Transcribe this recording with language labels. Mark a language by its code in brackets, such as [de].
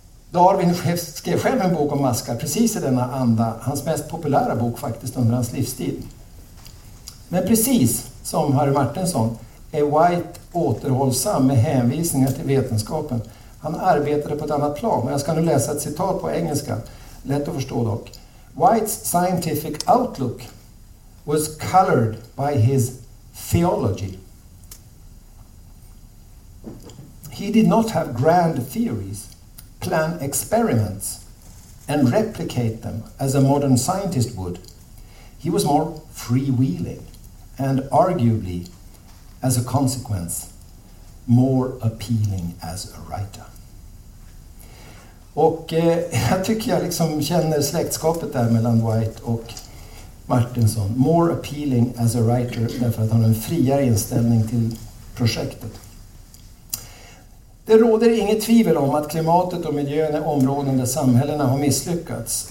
[sv] Darwin skrev själv en bok om maskar precis i denna anda, hans mest populära bok faktiskt under hans livstid. Men precis som Harry Martinson är White återhållsam med hänvisningar till vetenskapen. Han arbetade på ett annat plan, men jag ska nu läsa ett citat på engelska, lätt att förstå dock. [en] White's scientific outlook was colored by his theology. He did not have grand theories, plan experiments, and replicate them as a modern scientist would. He was more freewheeling, and arguably, as a consequence, more appealing as a writer. [sv] Och jag tycker jag liksom känner släktskapet där mellan White och Martinson. [en] More appealing as a writer, [sv] därför att han har en friare inställning till projektet. Det råder inget tvivel om att klimatet och miljön är områden där samhällena har misslyckats.